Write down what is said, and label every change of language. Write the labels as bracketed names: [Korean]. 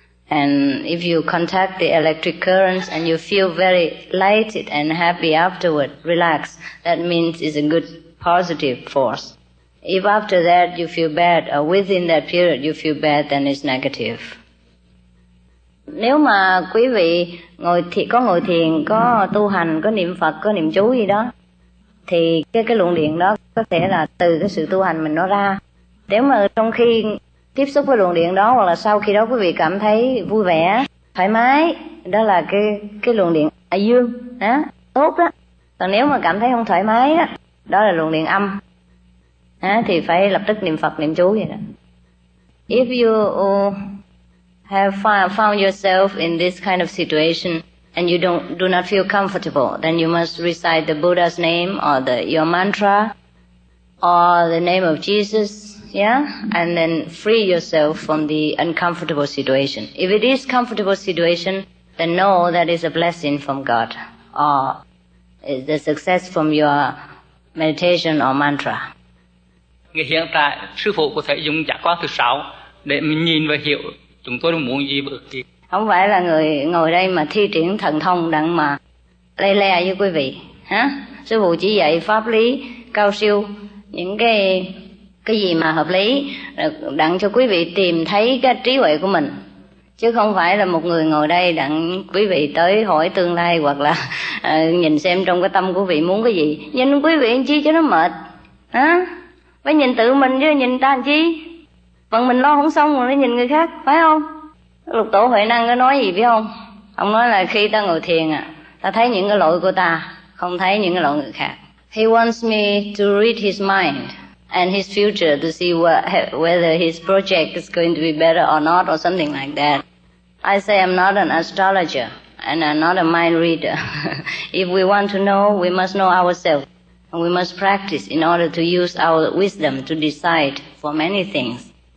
[English] And if you contact the electric currents and you feel very lighted and happy afterward, relaxed, that means it's a good positive force. If after that you feel bad, or within that period you feel bad, then it's negative. [Vietnamese] Nếu mà quý vị ngồi thiền, có tu hành, có niệm Phật, có niệm chú gì đó, thì cái luồng điện đó có thể là từ cái sự tu hành mình nó ra. Nếu mà trong khi tiếp xúc với luồng điện đó, hoặc là sau khi đó quý vị cảm thấy vui vẻ, thoải mái, đó là cái luồng điện âm dương, tốt đó. Còn nếu mà cảm thấy không thoải mái đó, đó là luồng điện âm, thì phải lập tức niệm Phật, niệm chú vậy đó. [English] If you have found yourself in this kind of situation and you do not feel comfortable, then you must recite the Buddha's name or your mantra or the name of Jesus, yeah, and then free yourself from the uncomfortable situation. If it is comfortable situation, then know that is a blessing from God or is the success from your meditation or mantra. [Vietnamese] Hiện tại sư phụ có thể dùng giác quan thứ sáu để mình nhìn và hiểu chúng tôi muốn gì bất kỳ. Không phải là người ngồi đây mà thi triển thần thông đặng mà lê lê với quý vị hả? Sư phụ chỉ dạy pháp lý cao siêu, những cái gì mà hợp lý đặng cho quý vị tìm thấy cái trí huệ của mình, chứ không phải là một người ngồi đây đặng quý vị tới hỏi tương lai hoặc là nhìn xem trong cái tâm của vị muốn cái gì. Nhìn quý vị làm chi cho nó mệt hả? Phải nhìn tự mình chứ nhìn ta làm chi, phần mình lo không xong rồi nhìn người khác, phải không? Lục Tổ Huệ Năng có nói gì biết không? Ông nói là khi ta ngồi thiền ta thấy những cái lỗi của ta, không thấy những cái lỗi người khác. [English] He wants me to read his mind and his future to see whether his project is going to be better or not or something like that. I say I'm not an astrologer and I'm not a mind reader. If we want to know, we must know ourselves. And we must practice in order to use our wisdom to decide for many things.